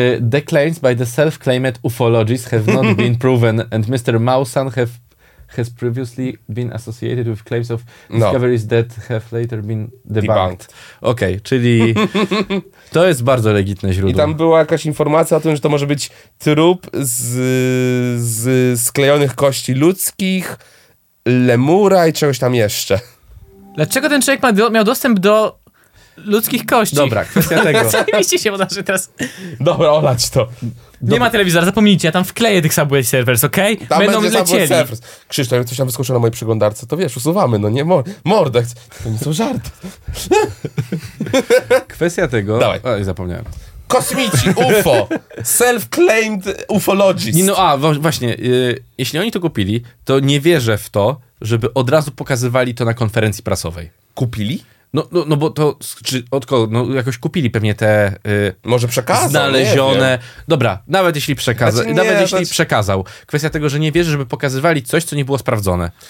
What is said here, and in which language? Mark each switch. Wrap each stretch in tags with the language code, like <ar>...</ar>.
<en>The claims by the self-claimed ufologists have not been proven and Mr. Mausan has previously been associated with claims of discoveries that have later been debunked.</en> <pl>Okej, okay, czyli to jest bardzo legitne źródło. I tam była jakaś informacja o tym, że to może być trup z sklejonych kości ludzkich, lemura i czegoś tam jeszcze. Dlaczego ten człowiek miał dostęp do ludzkich kości? Dobra, kwestia tego. Co nie mieści się, bo że teraz... Dobra, olać to. Nie ma telewizora, zapomnijcie, ja tam wkleję tych Subway Surfers, okej? Okay? Będą lecieli. Krzysztof, jak coś tam wyskoczyło na mojej przeglądarce, to wiesz, usuwamy, no nie, mordę. To nie są żarty. Kwestia tego... Dawaj. O, zapomniałem. Kosmici, UFO,</pl> <en>self-claimed ufologist.</en> <pl>Nie, no a, właśnie, jeśli oni to kupili, to nie wierzę w to, żeby od razu pokazywali to na konferencji prasowej. Kupili? No, bo to, czy od kogo, no jakoś kupili pewnie te... może przekazał, znalezione. Nie. Dobra, nawet jeśli przekazał, znaczy, nawet jeśli przekazał. Kwestia tego, że nie wierzę, żeby pokazywali coś, co nie było sprawdzone.</pl>